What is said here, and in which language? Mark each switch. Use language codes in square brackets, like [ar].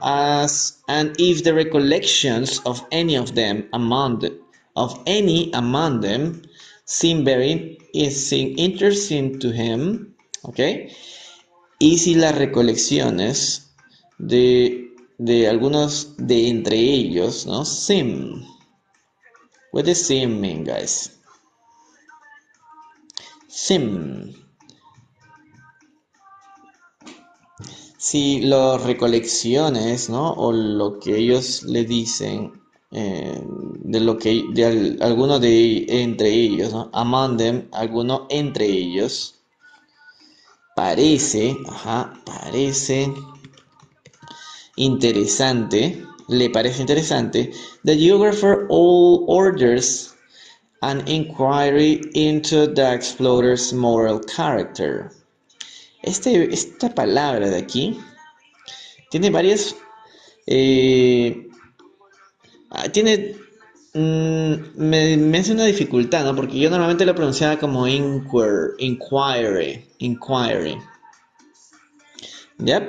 [en] And if the recollections of any of them among them seem very seem interesting to him, okay? [es] Y si las recolecciones de algunos de entre ellos, ¿no? [en] Seem. What does seem mean, guys? Seem. [es] Si las recolecciones, ¿no? O lo que ellos le dicen de lo que de alguno de entre ellos, ¿no? [en] Among them, [es] alguno entre ellos. Parece, ajá, parece interesante, le parece interesante. [en] The geographer all orders an inquiry into the explorer's moral character. [es] Esta palabra de aquí tiene varias, tiene, me hace una dificultad, ¿no? Porque yo normalmente lo pronunciaba como inquiry. Inquiry. ¿Ya?